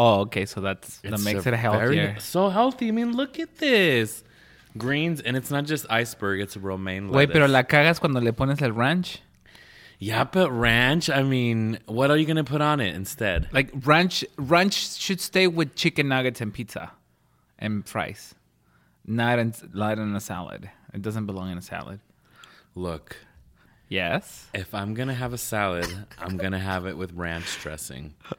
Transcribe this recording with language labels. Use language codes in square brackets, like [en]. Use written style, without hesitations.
[en] Oh, okay, so that makes it healthier. Very, so healthy. I mean, look at this. Greens, and it's not just iceberg, it's romaine lettuce. Wait, [es] pero la cagas cuando le pones el ranch? [en] Yeah, but ranch, I mean, what are you going to put on it instead? Like, ranch should stay with chicken nuggets and pizza and fries. Not in a salad. It doesn't belong in a salad. Look... Yes. If I'm going to have a salad, I'm going to have it with ranch dressing.